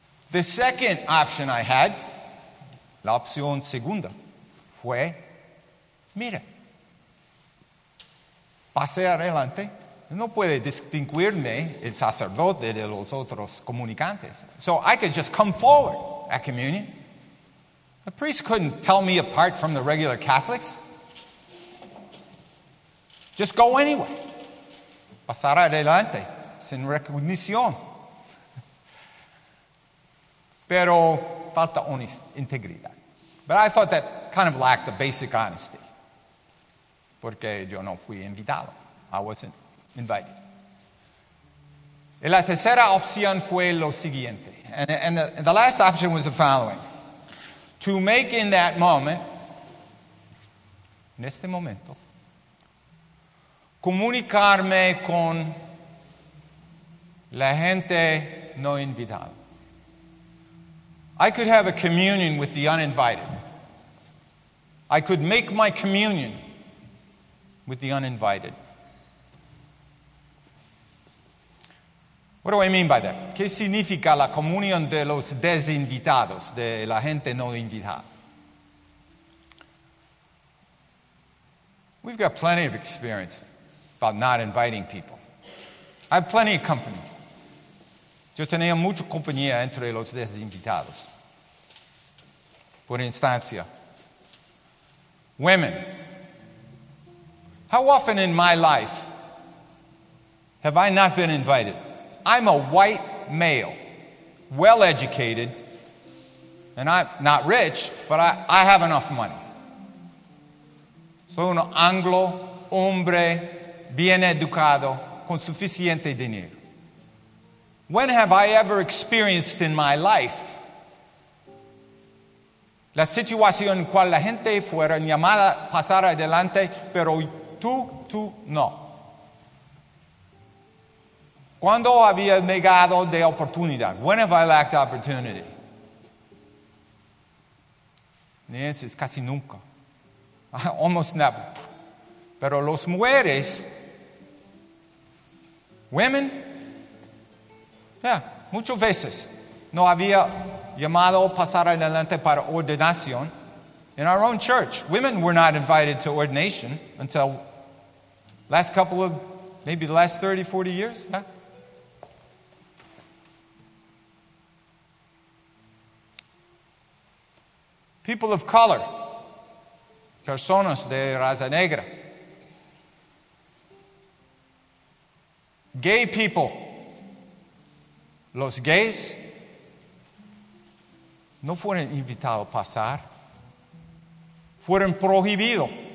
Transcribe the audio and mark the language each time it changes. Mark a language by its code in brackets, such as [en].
[en] The second option I had, [es] la opción segunda, fue, mira, pasé adelante. No puede distinguirme el sacerdote de los otros comunicantes. [en] So I could just come forward at communion. The priest couldn't tell me apart from the regular Catholics. Just go anyway. [es] Pasar adelante, sin recognición. Pero falta integridad. [en] But I thought that kind of lacked the basic honesty. [es] Porque yo no fui invitado. [en] I wasn't invited. [es] Y la tercera opción fue lo siguiente. [en] And the last option was the following. To make in that moment, [es] en este momento, comunicarme con la gente no invitada. [en] I could have a communion with the uninvited. I could make my communion with the uninvited. What do I mean by that? [es] ¿Qué significa la comunión de los desinvitados, de la gente no invitada? [en] We've got plenty of experience about not inviting people. I have plenty of company. [es] Yo tenía mucha compañía entre los desinvitados. Por instancia, [en] women. How often in my life Have I not been invited? I'm a white male, well-educated, and I'm not rich, but I have enough money. [es] Soy un anglo hombre bien educado con suficiente dinero. [en] When have I ever experienced in my life [es] la situación en cual la gente fuera llamada a pasar adelante, pero tú no? ¿Cuándo había negado de oportunidad? [en] When have I lacked opportunity? [es] Ni eso es casi nunca. [en] Almost never. [es] Pero los mujeres, [en] women, [es] muchas veces no había llamado pasar adelante para ordenación. [en] In our own church, women were not invited to ordination until last couple of, maybe the last 30, 40 years. Yeah. People of color, [es] personas de raza negra, [en] gay people, [es] los gays, no fueron invitados a pasar, fueron prohibidos.